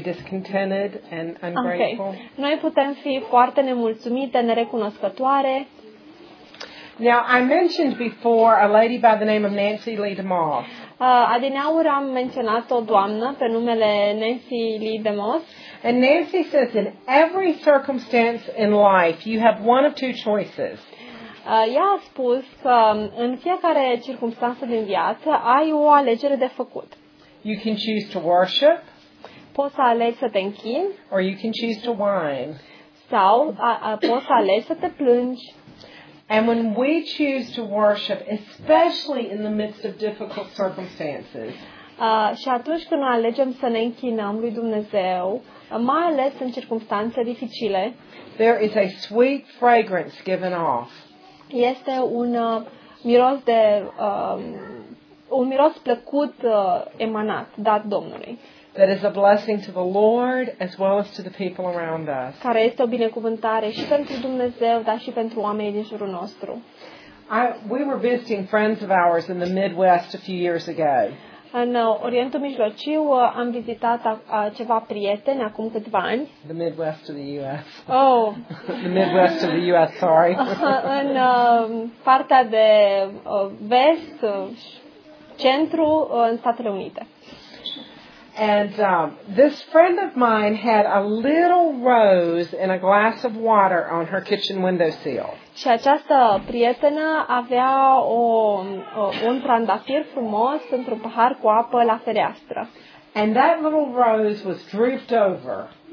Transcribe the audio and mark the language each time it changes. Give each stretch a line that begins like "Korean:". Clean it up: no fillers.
English: discontented and ungrateful. Okay.
Romanian: Noi putem fi foarte nemulțumite, nerecunoscătoare.
English: Now I mentioned before a lady by the name of Nancy Lee DeMoss.
Romanian: Adineauri am menționat o doamnă pe numele Nancy Lee DeMoss.
English: And Nancy says in every circumstance in life you have one of two choices.
Romanian: Ea a spus că în fiecare circumstanță din viață ai o alegere de făcut.
English: You can choose to worship.
Romanian: Poți să alegi să te închini.
English: Or you can choose to whine.
Romanian: Sau poți să alegi să te plângi.
English: And when we choose to worship, especially in the midst of difficult circumstances.
Romanian: Și atunci când alegem să ne închinăm lui Dumnezeu, mai ales în circumstanțe dificile,
English: there is a sweet fragrance given off.
Romanian: Este un miros de un miros plăcut emanat dat Domnului.
English: That is a blessing to the Lord as well as to the people around us.
Romanian: Care este o binecuvântare și pentru Dumnezeu, dar și pentru oamenii din jurul nostru.
English: We were visiting friends of ours in the Midwest a few years ago.
Romanian: În Orientul Mijlociu am vizitat ceva prieteni acum câțiva ani.
English: The Midwest of the U.S. Oh. The Midwest of the U.S., sorry.
Romanian: În partea de vest, centru, în Statele Unite.
English: And this friend of mine had a little rose in a glass of water on her kitchen windowsill.
Romanian: Și această prietenă avea un trandafir frumos într-un pahar cu apă la fereastră.
English: And that little rose was drooped over.